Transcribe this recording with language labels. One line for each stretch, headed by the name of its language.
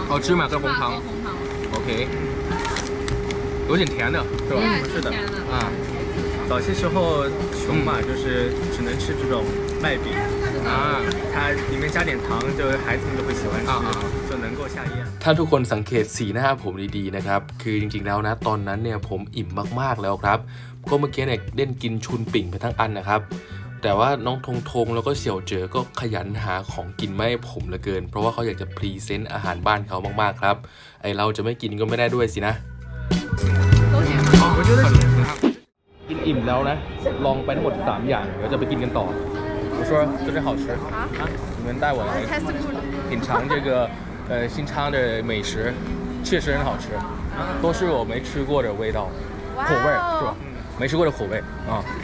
Chinese: 哦，芝麻跟红糖。OK。 有点甜的，是吧？是的。啊。早些时候穷嘛，就是只能吃这种麦饼。它里面加点糖，就孩子们都会喜欢吃，就能够下咽。
Thai: ถ้าทุกคนสังเกตสีหน้าผมดีๆนะครับคือจริงๆแล้วนะตอนนั้นเนี่ยผมอิ่มมากๆแล้วครับก็เมื่อกี้เนี่ยเล่นกินชุนปิ่งไปทั้งอันนะครับแต่ว่าน้องทงแล้วก็เสี่ยวเจ๋อก็ขยันหาของกินไม่ผมเหลือเกินเพราะว่าเขาอยากจะพรีเซนต์อาหารบ้านเขามากๆครับไอเราจะไม่กินก็ไม่ได้ด้วยสินะ กินอิ่มแล้วนะลองไปทั้งหมด3อย่างเดี๋ยวจะไปกินกันต่อ
Chinese: 我说这里好吃啊你们带我来品尝这个新昌的美食确实很好吃都是我没吃过的味道口味是吧没吃过的口味啊